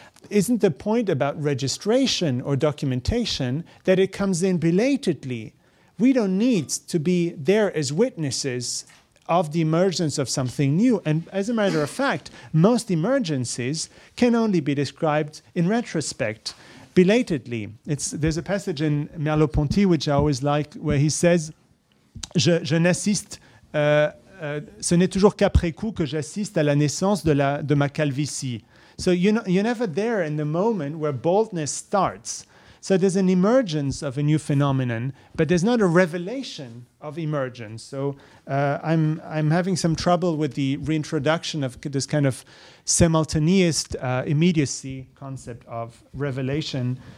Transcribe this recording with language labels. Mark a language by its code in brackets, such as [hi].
[en] Isn't the point about registration or documentation that it comes in belatedly? We don't need to be there as witnesses of the emergence of something new. And as a matter of fact, most emergencies can only be described in retrospect, belatedly. There's a passage in Merleau-Ponty, which I always like, where he says, [fr] je n'assiste, ce n'est toujours qu'après coup que j'assiste à la naissance de ma calvitie. [en] So you're never there in the moment where baldness starts. So there's an emergence of a new phenomenon, but there's not a revelation of emergence. So I'm having some trouble with the reintroduction of this kind of simultaneous immediacy concept of revelation.